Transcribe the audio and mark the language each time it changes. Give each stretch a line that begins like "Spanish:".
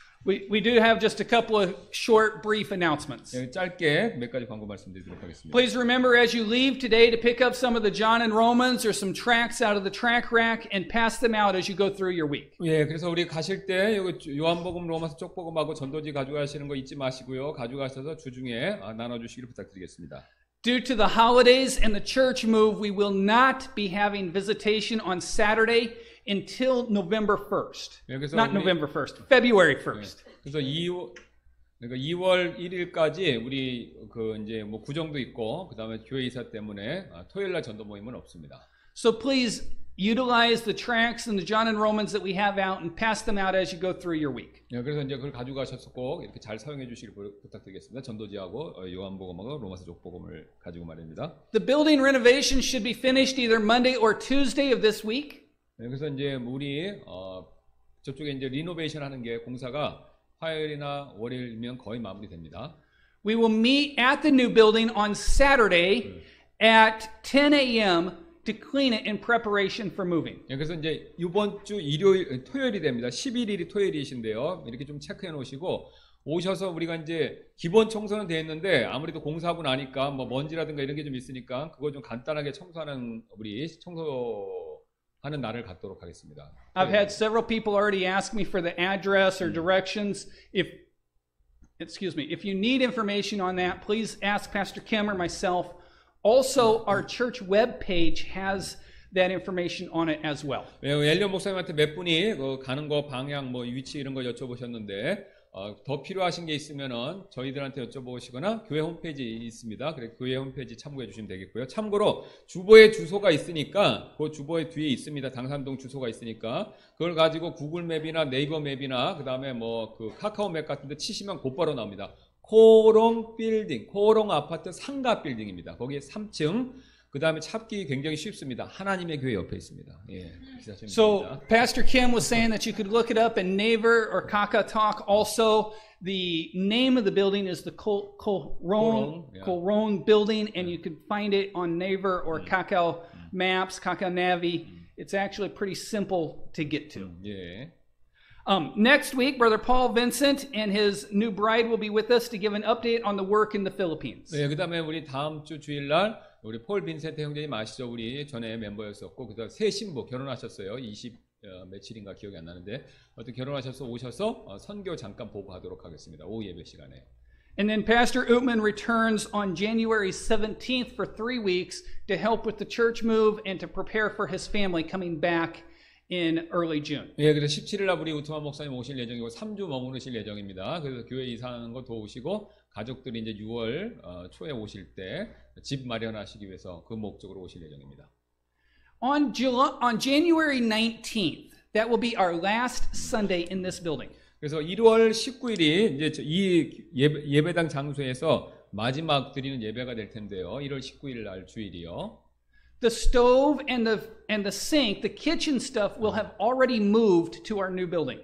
English: We do have just a couple of short, brief announcements.
Korean: 예, 짧게 몇 가지 광고 말씀드리도록 하겠습니다.
English: Please remember as you leave today to pick up some of the John and Romans or some tracts out of the track rack and pass them out as you go through your week.
Korean: 예, 그래서 우리 가실 때 여기 요한복음, 로마서 쪽복음하고 전도지 가져가시는 거 잊지 마시고요. 가져가셔서 주중에 나눠주시기를 부탁드리겠습니다.
English: Due to the holidays and the church move, we will not be having visitation on Saturday until November 1st.
Korean: 네,
English: not November 1st, February 1st.
Korean: 네, 그래서 2월 1일까지 우리 그 이제 뭐 구정도 있고 그다음에 교회 이사 때문에 토요일 날 전도 모임은 없습니다.
English: So please utilize the tracts and the John and Romans that we have out and pass them out as you go through your week.
Korean: 네, 그래서 이제 그걸 가져가셔서 꼭 이렇게 잘 사용해 주시길 부탁드리겠습니다. 전도지하고 요한복음하고 로마서 족복음을 가지고 말입니다.
English: The building renovation should be finished either Monday or Tuesday of this week.
Korean: 그래서 이제 우리 저쪽에 이제 리노베이션 하는 게 공사가 화요일이나 월요일이면 거의 마무리됩니다.
English: We will meet at the new building on Saturday at 10 a.m. to clean it in preparation for moving.
Korean: 그래서 이제 이번 주 일요일 토요일이 됩니다. 11일이 토요일이신데요. 이렇게 좀 체크해 놓으시고 오셔서 우리가 이제 기본 청소는 돼 있는데 아무래도 공사하고 나니까 뭐 먼지라든가 이런 게 좀 있으니까 그거 좀 간단하게 청소하는 우리 청소 하는 날을 갖도록 하겠습니다.
English: I've had several people already ask me for the address or directions. If you need information on that, please ask Pastor Kim or myself. Also, our church webpage has that information on it as well.
Korean: 예, 엘리언 목사님한테 몇 분이 그 가는 거 방향 뭐 위치 이런 거 여쭤보셨는데 더 필요하신 게 있으면은 저희들한테 여쭤보시거나 교회 홈페이지 있습니다. 그래 교회 홈페이지 참고해 주시면 되겠고요. 참고로 주보에 주소가 있으니까 그 주보에 뒤에 있습니다. 당산동 주소가 있으니까 그걸 가지고 구글 맵이나 네이버 맵이나 그다음에 뭐 그 카카오 맵 같은 데 치시면 곧바로 나옵니다. 코롱 빌딩, 코롱 아파트 상가 빌딩입니다. 거기 3층 그 다음에 찾기 굉장히 쉽습니다. 하나님의 교회 옆에 있습니다. 예,
English: So Pastor Kim was saying that you could look it up in Naver or KakaTalk. Also, the name of the building is the Korong Building, and you could find it on Naver or Kakao Maps, Kakao Navi. It's actually pretty simple to get to. Yeah. Next week, Brother Paul Vincent and his new bride will be with us to give an update on the work in the Philippines.
Korean: 예, 그 다음에 우리 다음 주 주일날 우리 폴 빈센트 형제님 아시죠? 우리 전에 멤버였었고 그래서 새 신부 결혼하셨어요. 20 며칠인가 기억이 안 나는데 어떤 결혼하셔서 오셔서 선교 잠깐 보고하도록 하겠습니다. 오후 예배 시간에.
English: And then Pastor Uttman returns on January 17th for 3 weeks to help with the church move and to prepare for his family coming back in early June.
Korean: 예, 그래서 17일 날 우리 우트만 목사님 오실 예정이고 3주 머무르실 예정입니다. 그래서 교회 이사하는 거 도우시고 가족들이 이제 6월 초에 오실 때 집 마련하시기 위해서 그 목적으로 오실 예정입니다.
English: On January 19th, that will be our last Sunday in this building.
Korean: 그래서 1월 19일이 이제 이 예배당 장소에서 마지막 드리는 예배가 될 텐데요. 1월 19일 날 주일이요.
English: The stove and the sink, the kitchen stuff will have already moved to our new building.